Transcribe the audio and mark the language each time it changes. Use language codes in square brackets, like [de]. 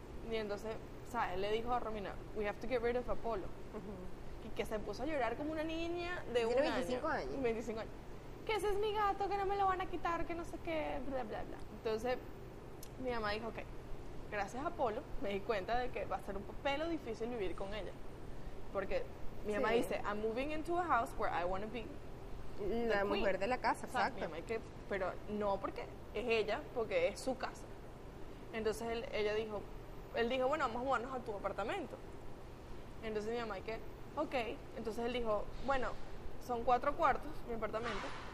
[es] Y entonces, ¿sabes? Él le dijo a Romina, [en] we have to get rid of Apolo. [es] Uh-huh. Y que se puso a llorar como una niña de tiene un 25 año. Años. 25 años. Que ese es mi gato, que no me lo van a quitar, que no sé qué, bla, bla, bla. Entonces, mi mamá dijo, okay, gracias a Apolo, me di cuenta de que va a ser un pelo difícil vivir con ella. Porque mi mamá dice, [en] I'm moving into a house where I want to be. [es] La mujer de la casa, exacto. O sea, mi mamá, que, pero no porque es ella, porque es su casa. Entonces él dijo, bueno, vamos a mudarnos a tu apartamento. Entonces mi mamá, que, okay. Entonces él dijo, bueno, son 4 cuartos, mi apartamento.